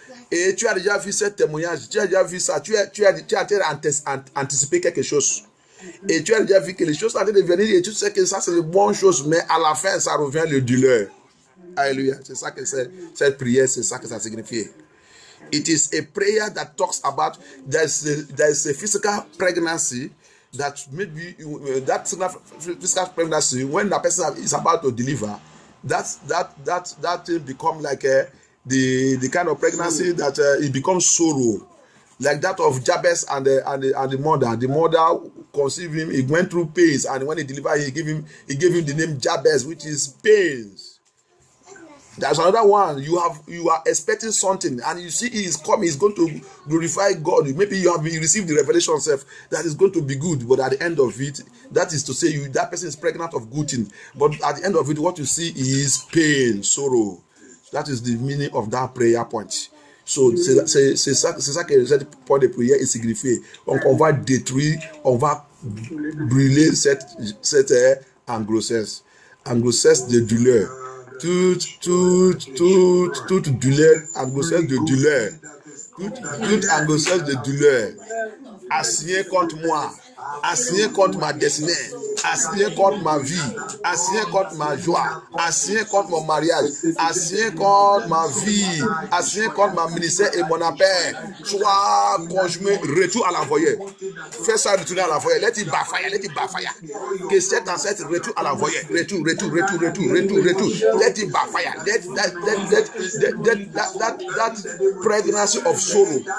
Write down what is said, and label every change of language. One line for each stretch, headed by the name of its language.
French: Et tu as déjà vu ce témoignage, tu as déjà vu ça, tu as anticipé quelque chose. Et tu as déjà vu que les choses sont en train de venir et tu sais que ça, c'est une bonne chose, mais à la fin, ça revient le douleur. Alléluia. C'est ça que c'est, cette prière, c'est ça que ça signifie.
English: It is a prayer that talks about there's a physical pregnancy that maybe physical pregnancy when the person is about to deliver, that become like the kind of pregnancy that it becomes sorrow, like that of Jabez and the mother. The mother conceived him. He went through pains, and when he delivered, he gave him the name Jabez, which is pains. There's another one. You are expecting something, and you see he's coming. He's going to glorify God. Maybe you have received the revelation self that is going to be good, but at the end of it, that is to say, that person is pregnant of good things. But at the end of it, what you see is pain, sorrow. That is the meaning of that prayer point.
French: So c'est ça que ce point de prière est signifié. Donc on va détruire, on va brûler cette angoisse de douleur. Toute douleur, angoisse de douleur. Toute angoisse de douleur. Assignée contre moi. Assignée contre ma destinée. Assignée contre ma vie. Assignée contre ma joie. Assignée contre mon mariage. Assignée contre ma vie. Assignée contre ma ministère et mon appel. Sois conjugué. Retour à l'envoyé. Fais ça, retourner à l'envoyé.
English: Let it bafaya.
French: Que cet ancêtre retour à l'envoyé.
English: Retour. Let it bafaya. Let that pregnancy of sorrow.